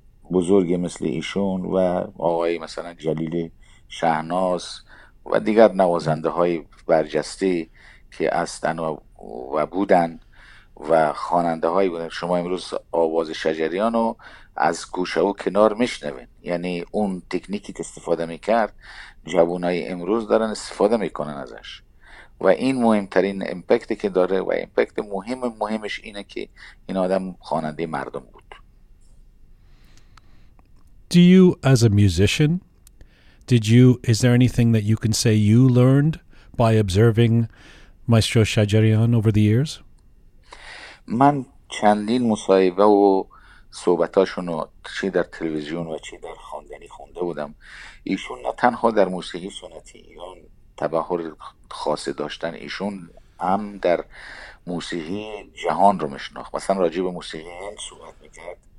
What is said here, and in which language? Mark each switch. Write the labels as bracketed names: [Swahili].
[Persian] بزرگ مثل ایشون و آقای مثلا جلیل شهناز و دیگر نوازنده های برجسته که هستن و بودن و خواننده هایی بودن شما امروز آواز شجریان رو از گوشه و کنار میشنوین یعنی اون تکنیکی که استفاده میکرد جوانای امروز دارن استفاده میکنن ازش و این مهمترین امپکتی که داره و امپکت مهمش اینه که این آدم خواننده مردم بود. [English] Do you as a musician is there anything that you can say you learned by observing Maestro Shajarian over the years? [Persian] من چندین مصاحبه و صحبتاشونو چی در تلویزیون و چی در خواندنی خونده بودم ایشون نه تنها در موسیقی سنتی ایران تبحر خاص داشتن ایشون هم در موسیقی جهان رو میشناخت مثلا راجع به موسیقی هند صحبت میکرد